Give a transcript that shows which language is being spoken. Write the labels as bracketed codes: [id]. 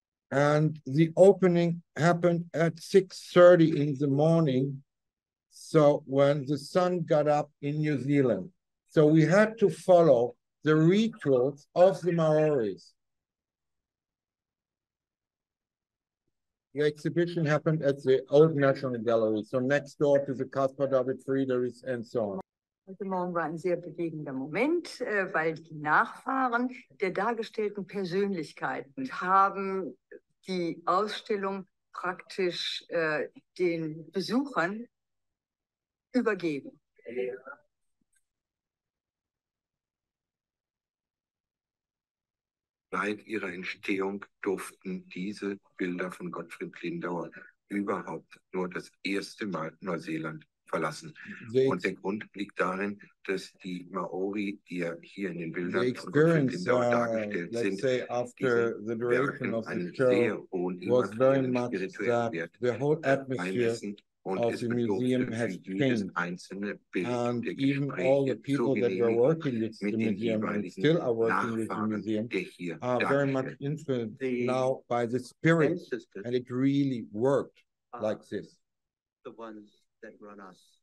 [en] And the opening happened at 6:30 in the morning, so when the sun got up in New Zealand. So we had to follow the rituals of the Maoris. The exhibition happened at the Old National Gallery, so next door to the Caspar David Friedrichs and so on. [de] Heute Morgen war ein sehr bewegender Moment, weil die Nachfahren der dargestellten Persönlichkeiten haben die Ausstellung praktisch den Besuchern übergeben. Seit ihrer Entstehung durften diese Bilder von Gottfried Lindauer überhaupt nur das erste Mal Neuseeland verlassen. Und der Grund liegt darin, dass die Maori, die ja hier in den Bildern von Gottfried Lindauer dargestellt sind, diese Werke einen sehr hohen immateriellen spirituellen Wert beimessen [en] of the museum has changed. And even all the people that were working with the museum and still are working with the museum are very much influenced now by the spirit, and it really worked like this. The ones that run us.